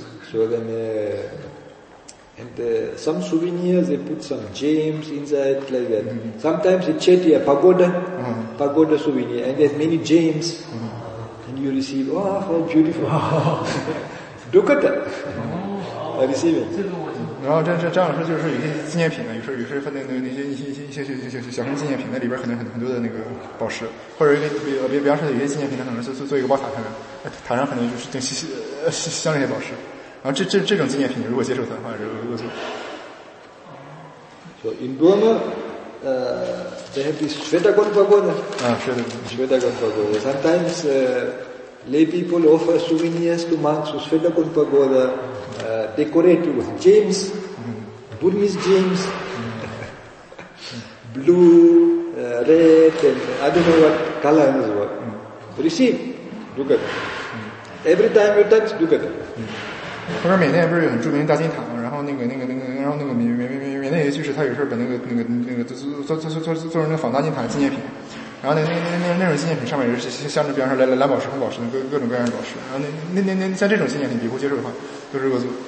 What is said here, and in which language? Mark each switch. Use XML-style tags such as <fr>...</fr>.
<en>So then, some souvenirs they put some gems inside, like that. Sometimes they chat here, pagoda souvenir, and there's many gems, and you receive, oh, how beautiful. Dukkata. I receive it.</en> <zh>然后这样说就是有些纪念品呢，有时分那些小型纪念品，那里边可能很多的那个宝石，或者比方说有些纪念品，它可能做一个宝塔上面。塔上可能就是像这些宝石，然后这种纪念品，如果接受它的话，就恶作。</zh> <en>So in Burma, they have this Shvetagon Pagoda. Shvetagon Pagoda. Sometimes lay people offer souvenirs to monks with Shvetagon Pagoda, decorated with James, Burmese James, blue, red, and I don't know what color is what. Receive, look at it. Every time you touch, look at it.</en> <zh>他说缅甸不是有很著名的大金塔吗？然后那个，然后那个缅甸，就是他有时候把那个做成那个仿大金塔的纪念品，然后那种纪念品上面有些镶着，比方说蓝宝石、红宝石，各种各样的宝石。然后那像这种纪念品，比如接受的话，都是恶作。</zh>